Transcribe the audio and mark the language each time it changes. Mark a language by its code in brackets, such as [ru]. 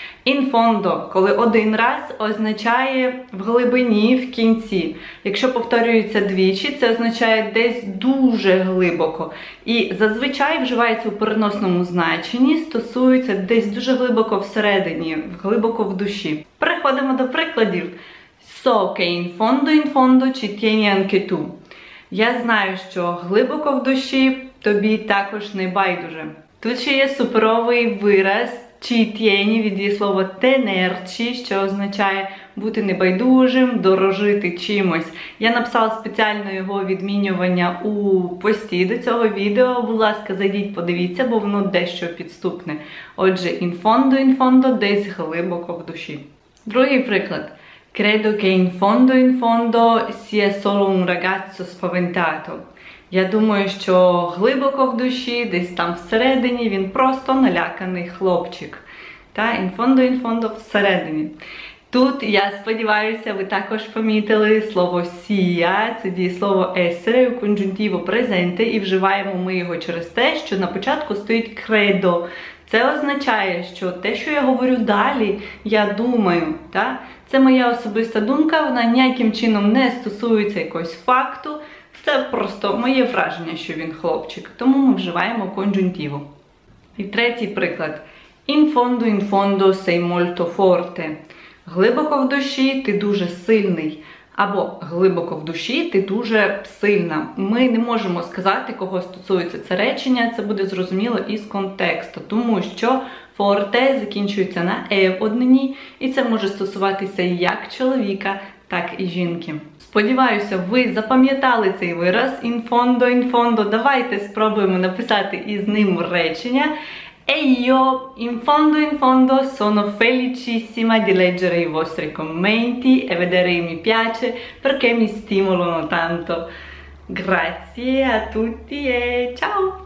[uk] In fondo, коли один раз, означає в глибині, в кінці. Якщо повторюється двічі, це означає десь дуже глибоко. І зазвичай вживається у переносному значенні, стосується десь дуже глибоко всередині, глибоко в душі. Переходимо до прикладів. [it] So che in fondo ci tieni anche tu. [uk] Я знаю, що глибоко в душі тобі також не байдуже. Тут ще є суперовий вираз. Чи тєні від є слово тенерчі, що означає бути небайдужим, дорожити чимось. Я написала спеціально його відмінювання у пості до цього відео. Будь ласка, зайдіть, подивіться, бо воно дещо підступне. Отже, in fondo, десь глибоко в душі. Другий приклад. [it] Credo che in fondo sia solo un ragazzo spaventato. [uk] Я думаю, що глибоко в душі, десь там всередині, він просто наляканий хлопчик. Та, in fondo, всередині. Тут, я сподіваюся, ви також помітили слово «сія». Це дієслово «essere» у конджунктиво «presente» і вживаємо ми його через те, що на початку стоїть «credo». Це означає, що те, що я говорю далі, я думаю, та? Це моя особиста думка, вона ніяким чином не стосується якогось факту. Це просто моє враження, що він хлопчик. Тому ми вживаємо конджунтиву. І третій приклад. [it] In fondo sei molto forte. [uk] Глибоко в душі ти дуже сильний. Або глибоко в душі ти дуже сильна. Ми не можемо сказати, кого стосується це речення. Це буде зрозуміло із контексту. Тому що forte закінчується на e в однині. І це може стосуватися як чоловіка, так і жінки. Сподіваюся, ви запам'ятали цей вираз in fondo, давайте спробуємо написати із ним речення. [it] E io in fondo sono felicissima di leggere i vostri commenti e vedere i mi piace perché mi stimolano tanto. Grazie a tutti e ciao!